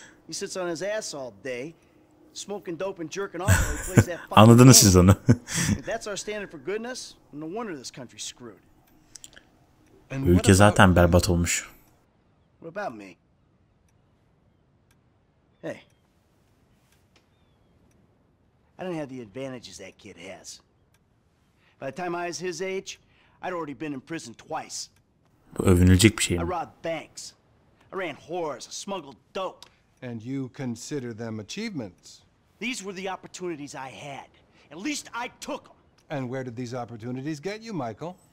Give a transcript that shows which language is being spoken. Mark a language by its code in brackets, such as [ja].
[en] He sits on his ass all day, smoking dope and jerking off while he plays that fucking game. [tr] Anladınız siz onu. [en] That's our standard for goodness. No wonder this country's screwed. [tr] Ülke zaten berbat olmuş. [en] What about me? Hey, I don't have the advantages that kid has. By the time I was his age, I'd already been in prison twice. [tr] Bu övünülecek bir şey mi? [en] I robbed banks. I ran whores, I smuggled dope. And you consider them achievements? These were the opportunities I had. At least I took them. And where did these opportunities get you, Michael?